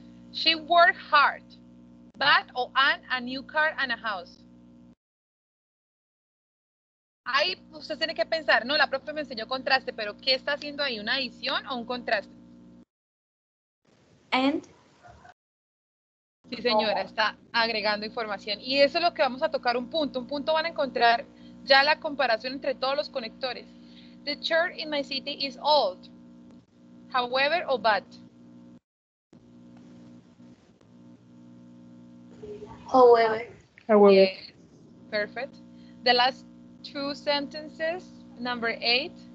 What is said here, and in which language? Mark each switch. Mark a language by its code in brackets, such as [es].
[en] She worked hard, but on a new car and a house. [es] Ahí usted tiene que pensar, no, la profe me enseñó contraste, pero ¿qué está haciendo ahí? ¿Una adición o un contraste? [en] And? [es] Sí, señora, está agregando información. Y eso es lo que vamos a tocar, un punto van a encontrar ya la comparación entre todos los conectores. [en] The church in my city is old, however or but. However. Yeah. Perfect. The last two sentences, number 8.